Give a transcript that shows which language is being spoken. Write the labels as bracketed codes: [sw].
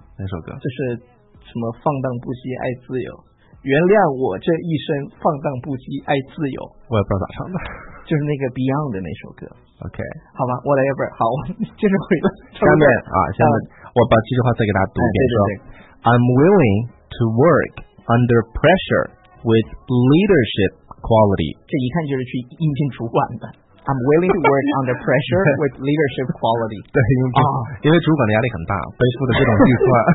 [zh] 那首歌就是什么放荡不羁爱自由，原谅我这一生放荡不羁爱自由，我也不知道咋唱的，就是那个 Beyond 的那首歌。 OK，好吧， whatever， 好，我接着回来下面啊，下面、我把这句话再给大家读一遍、对对对，说 [en] I'm willing to work under pressure with leadership quality， [zh] 这一看就是去应聘主管的。 [en] I'm willing to work under pressure with leadership quality. [zh] 对，因为、因为主管的压力很大，背负的这种预算。